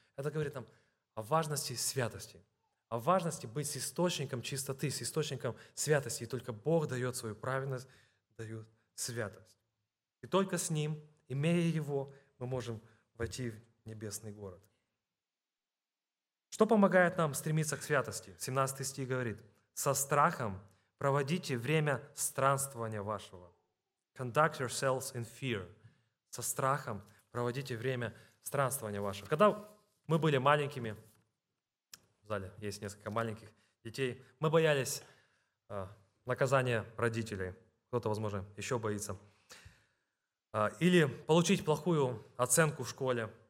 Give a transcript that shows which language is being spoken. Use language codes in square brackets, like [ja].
[ru] Это говорит нам о важности святости. О важности быть с источником чистоты, с источником святости. И только Бог дает свою праведность, дает святость. И только с Ним, имея Его, мы можем войти в небесный город. Что помогает нам стремиться к святости? 17 стих говорит, «Со страхом проводите время странствования вашего». [en] Conduct yourselves in fear. [ru] Со страхом проводите время странствования вашего. Когда мы были маленькими, в зале есть несколько маленьких детей. Мы боялись наказания родителей. Кто-то, возможно, еще боится. Или получить плохую оценку в школе.